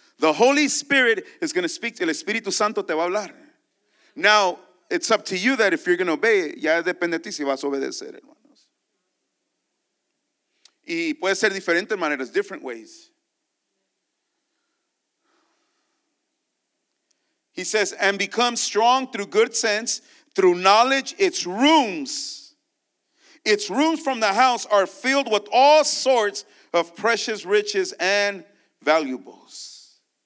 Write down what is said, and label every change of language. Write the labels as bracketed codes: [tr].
[en] The Holy Spirit is going to speak to you. [es] El Espíritu Santo te va a hablar. [en] Now, it's up to you that if you're going to obey, [es] ya depende de ti si vas a obedecer, hermanos. Y puede ser diferentes maneras, [en] different ways. He says, and become strong through good sense, through knowledge, its rooms. Its rooms from the house are filled with all sorts of precious riches and valuables.